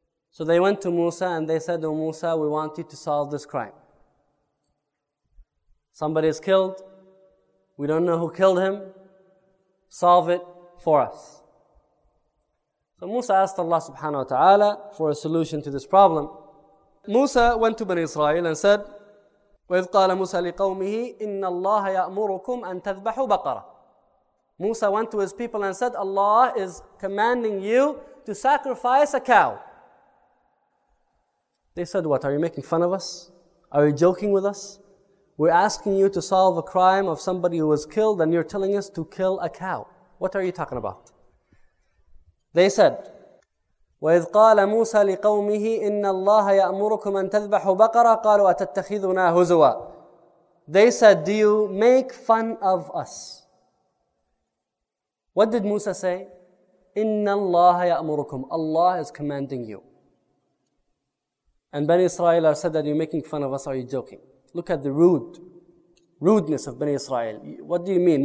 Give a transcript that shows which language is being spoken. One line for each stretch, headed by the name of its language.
English: So they went to Musa and they said, "Oh Musa, we want you to solve this crime. Somebody is killed. We don't know who killed him. Solve it for us." So Musa asked Allah subhanahu wa ta'ala for a solution to this problem. Musa went to Bani Israel and said,
Arabic: وَإِذْ قَالَ مُوسَى لِقَوْمِهِ إِنَّ اللَّهَ يَأْمُرُكُمْ أَن تَذْبَحُوا بَقَرَةً.
English: Musa went to his people and said, Allah is commanding you to sacrifice a cow. They said, "What, are you making fun of us? Are you joking with us? We're asking you to solve a crime of somebody who was killed and you're telling us to kill a cow. What are you talking about?" They said,
Arabic: وَإِذْ قَالَ مُوسَى لِقَوْمِهِ إِنَّ اللَّهَ يَأْمُرُكُمْ أَن تَذْبَحُوا بَقَرَةً قَالُوا أَتَتَّخِذُنَا هُزُوًا.
English: They said, "Do you make fun of us?" What did Musa say?
Arabic: إِنَّ اللَّهَ يَأْمُرُكُمْ.
English: Allah is commanding you. And Bani Israel said that you're making fun of us, are you joking? Look at the rudeness of Bani Israel. What do you mean?